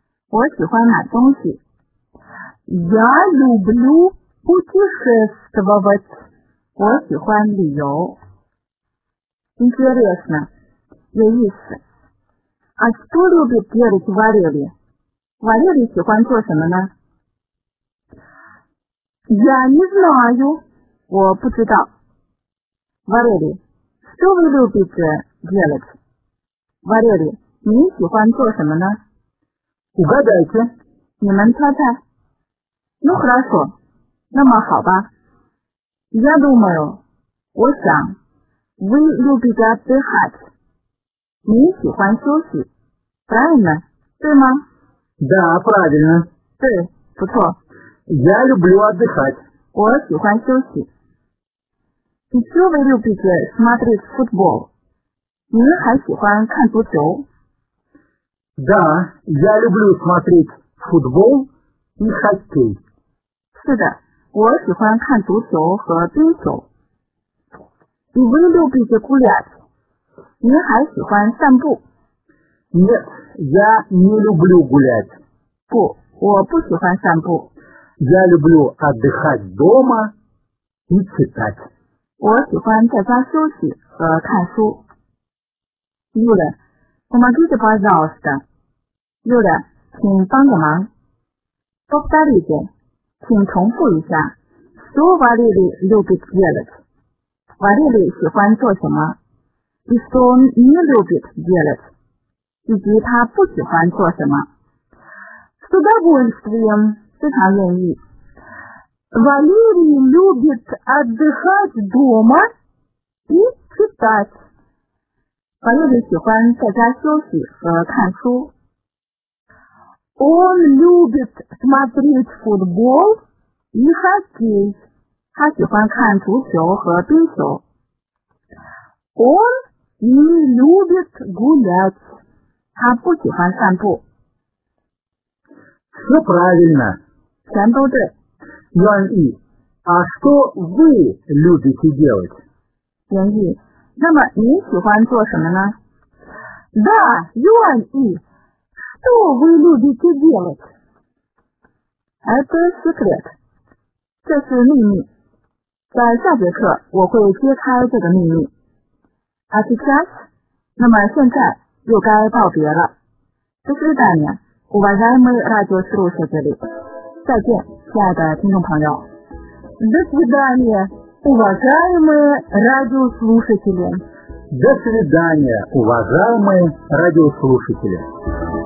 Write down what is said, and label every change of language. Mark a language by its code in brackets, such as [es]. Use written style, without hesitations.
[zh] 我喜欢买东西。 [ru] Я люблю путешествовать. [zh] 我喜欢旅游。 Интересно. 有意思。 [ru] А что любит делать Валерий? [zh] Валерий 喜欢做什么呢? [ru] Я не знаю. [zh] 我不知道。 [ru] Валерий, что вы любите делать? [zh] Валерий, 你喜欢做什么呢? [ru] Угадайте. [zh] 你们猜猜。 [ru] Ну хорошо. [zh] 那么好吧。 [ru] Я думаю. [zh] 我想。 [ru] Вы любите отдыхать. [zh] 你喜欢休息。 [ru] Правильно? [zh] 对吗? [ru] Да, правильно. [zh] 对，不错。 [ru] Я люблю отдыхать. [zh] 我喜欢休息。 [ru] И что вы любите смотреть футбол? [zh] 你还喜欢看足球。 [ru] Да, я люблю смотреть футбол и хоккей. [zh] 是的，我喜欢看足球和冰球。 [ru] И вы любите гулять? [zh] 你还喜欢散步。 [ru] Нет, я не люблю гулять. [zh] 不，我不喜欢散步。 [ru] Я люблю отдыхать дома и читать. [zh] 我喜欢在家休息和看书。 [ru] Юля, помогите, пожалуйста. [zh] Юля, 请帮个忙。 [ru] Повторите, [zh] 请重复一下。 [ru] Что Валерий любит делать? [zh] Валерий 喜欢做什么? [ru] И что он не любит делать? [zh] 以及他不喜欢做什么? [ru] С удовольствием, [zh] 非常愿意。 [ru] Валерий любит отдыхать дома и читать. [zh] Валерий 喜欢在家休息和看书。 [ru] Он любит смотреть футбол и хоккей. [zh] 他喜欢看足球和冰球。 [ru] Он не любит гулять. [zh] 他不喜欢散步。 [ru] Все правильно. [zh] 全都对。 [ru] 原意。А что вы любите делать? [zh] 原意。那么你喜欢做什么呢? [ru] Да, 原意。Что вы любите делать? Это секрет. [zh] 这是秘密。在下节课我会揭开这个秘密。 [ru] А сейчас? [zh] 那么现在又该告别了。 [ru] До свидания, уважаемые радиослушатели. [zh] 再见，亲爱的听众朋友。 [ru] До свидания, уважаемые радиослушатели. До свидания, уважаемые радиослушатели.